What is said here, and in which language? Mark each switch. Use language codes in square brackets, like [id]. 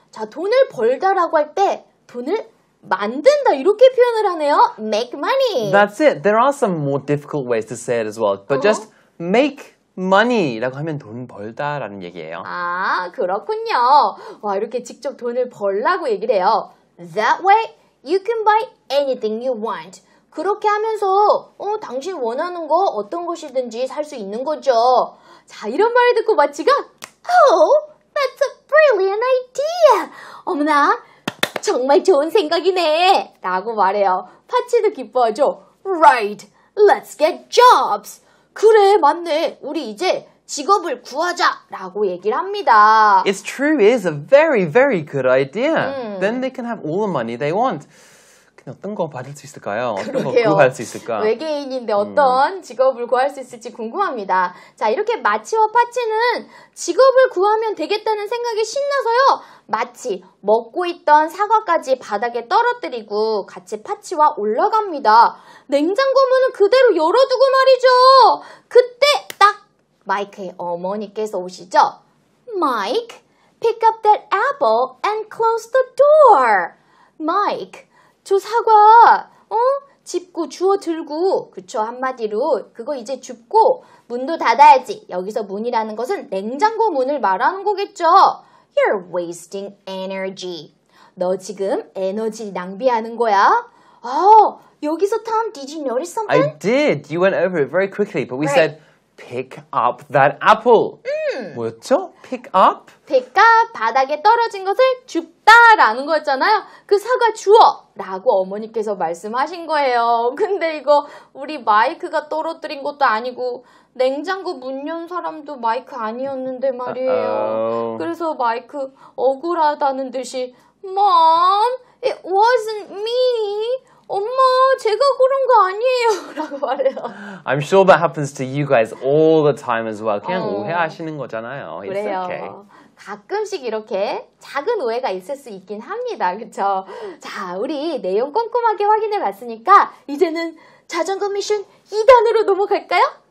[ko] 자, 돈을 벌다라고 할 때 돈을 만든다 이렇게 표현을 하네요. [en] Make money. That's it. There are some more difficult ways to say it as well. But just make money [ko] 라고 하면 돈 벌다라는 얘기예요. 아, 그렇군요. 와, 이렇게 직접 돈을 벌라고 얘기를 해요. [en] That way you can buy anything you want. [ko] 그렇게 하면서 당신 원하는 거 어떤 것이든지 살 수 있는 거죠. 자, 이런 말을 듣고 마치가 [en] That's a brilliant idea! [ko] 어머나, 정말 좋은 생각이네! 라고 말해요. 파치도 기뻐하죠? [en] Right, let's get jobs! [ko] 그래, 맞네. 우리 이제 직업을 구하자! 라고 얘기를 합니다. [en] It's true, it is a very, very good idea. Then they can have all the money they want. [ko] 근데 어떤 거 받을 수 있을까요? 그러게요. 어떤 거 구할 수 있을까? 외계인인데 어떤 직업을 구할 수 있을지 궁금합니다. 자, 이렇게 마치와 파치는 직업을 구하면 되겠다는 생각에 신나서요. 마치 먹고 있던 사과까지 바닥에 떨어뜨리고 같이 파치와 올라갑니다. 냉장고 문은 그대로 열어두고 말이죠. 그때 딱 마이크의 어머니께서 오시죠. [en] Mike, pick up that apple and close the door. Mike. [ko] 저 사과, 짚고 주워 들고, 그쵸, 한마디로. 그거 이제 줍고, 문도 닫아야지. 여기서 문이라는 것은 냉장고 문을 말하는 거겠죠. [en] You're wasting energy. [ko] 너 지금 에너지 낭비하는 거야. 아, 여기서 [en] Tom, did you notice something? I did. You went over it very quickly, but we right. said, pick up that apple. [ko] 뭐였죠? [en] Pick up? [ko] Pick up, 바닥에 떨어진 것을 줍다라는 거였잖아요. 그 사과 주워. 라고 어머니께서 말씀하신 거예요. 근데 이거 우리 마이크가 떨어뜨린 것도 아니고 냉장고 문 연 사람도 마이크 아니었는데 말이에요. [en] Uh-oh. [ko] 그래서 마이크 억울하다는 듯이 [en] Mom, it wasn't me. [ko] 엄마, 제가 그런 거 아니에요. 라고 말해요. [en] I'm sure that happens to you guys all the time as well. [ko] 그냥 오해하시는 거잖아요. 그래요. [en] It's okay. [ko] 가끔씩 이렇게 작은 오해가 있을 수 있긴 합니다. 그쵸? 자, 우리 내용 꼼꼼하게 확인해 봤으니까 이제는 자전거 미션 2단으로 넘어갈까요?